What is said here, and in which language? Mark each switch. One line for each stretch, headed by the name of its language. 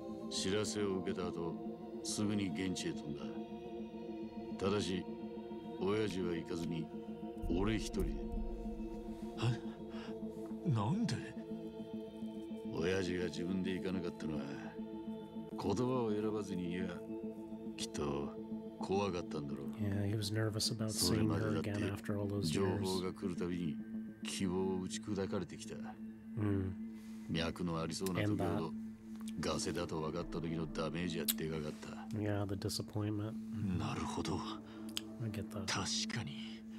Japanese: 知らせを受けた後すぐに現地へ飛んだ。ただし親父は行かずに俺一人で。なんで？親父が自分で行かなかったのは、言葉を選ばずに言えばきっと怖かったんだろう。
English: Yeah, he was nervous about seeing her again after all those years.
Japanese: 情報が来るたびに希望を打ち砕かれてきた。脈のありそうな時ほどガセだと分かった時のダメージはでかかった。
English: Yeah, the disappointment.
Japanese: なるほど。
English: I get that.
Japanese: 確かに。